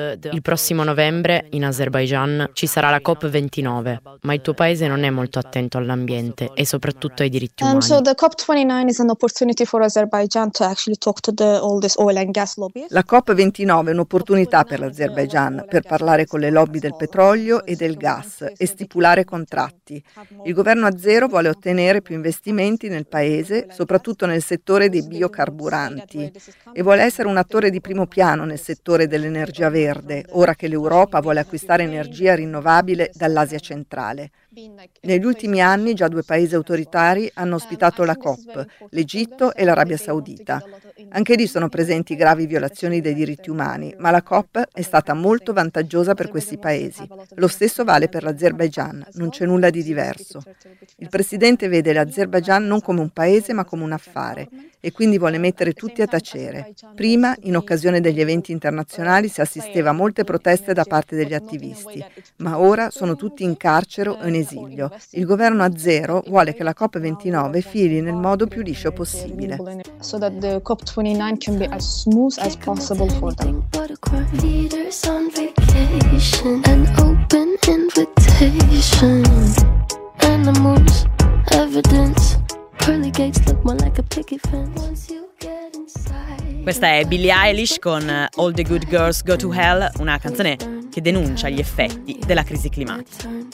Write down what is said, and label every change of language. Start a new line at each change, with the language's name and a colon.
Italian: Il prossimo novembre in Azerbaigian ci sarà la COP29, ma il tuo paese non è molto attento all'ambiente e soprattutto ai diritti umani.
English: So the COP29 is an opportunity for Azerbaijan to actually talk to all this oil and gas lobby.
Italian: La COP29 è un'opportunità per l'Azerbaigian per parlare con le lobby del petrolio e del gas e stipulare contratti. Il governo azero vuole ottenere più investimenti nel paese, soprattutto nel settore dei biocarburanti, e vuole essere un attore di primo piano nel settore dell'energia verde, ora che l'Europa vuole acquistare energia rinnovabile dall'Asia centrale. Negli ultimi anni già due paesi autoritari hanno ospitato la COP, l'Egitto e l'Arabia Saudita. Anche lì sono presenti gravi violazioni dei diritti umani, ma la COP è stata molto vantaggiosa per questi paesi. Lo stesso vale per l'Azerbaigian, non c'è nulla di diverso. Il presidente vede l'Azerbaigian non come un paese ma come un affare e quindi vuole mettere tutti a tacere. Prima, in occasione degli eventi internazionali, si assisteva a molte proteste da parte degli attivisti, ma ora sono tutti in carcere o in esilio. Il governo azero vuole che la COP29 fili nel modo più liscio possibile.
English: COP29 can be as smooth as possible for them. Leaders on vacation, an open invitation. Animals, evidence. Pearly gates look more like a picket fence. Once you get inside.
Italian: Questa è Billie Eilish con All the Good Girls Go to Hell, una canzone che denuncia gli effetti della crisi climatica.